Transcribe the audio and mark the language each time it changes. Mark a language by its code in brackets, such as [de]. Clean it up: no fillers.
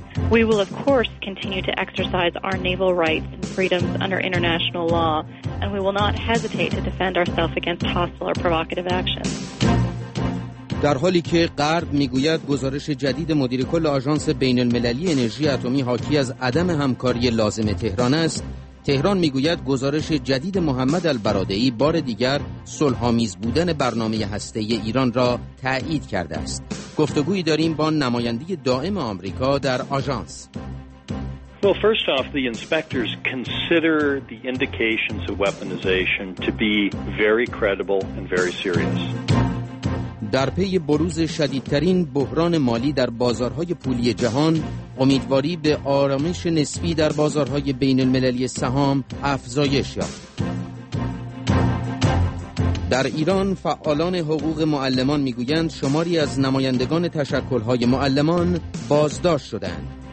[en] We will of course continue to exercise our naval rights and freedoms under international law and we will not hesitate to defend ourselves against hostile or provocative actions. [fa] در حالی که غرب میگوید گزارش جدید مدیر کل آژانس بین المللی انرژی اتمی حاکی از عدم همکاری لازم تهران است، تهران میگوید گزارش جدید محمد البرادعی بار دیگر صلح‌آمیز بودن برنامه هسته‌ای ایران را تایید کرده است. گفتگویی داریم با نماینده دائم آمریکا در آژانس. [en] Well, first off, the inspectors consider the indications of weaponization to be very credible and very serious. [fa] در پی بروز شدیدترین بحران مالی در بازارهای پولی جهان، امیدواری به آرامش نسبی در بازارهای بین المللی سهام افزایش یافت. در ایران فعالان حقوق معلمان میگویند شماری از نمایندگان تشکل‌های معلمان بازداشت شدند.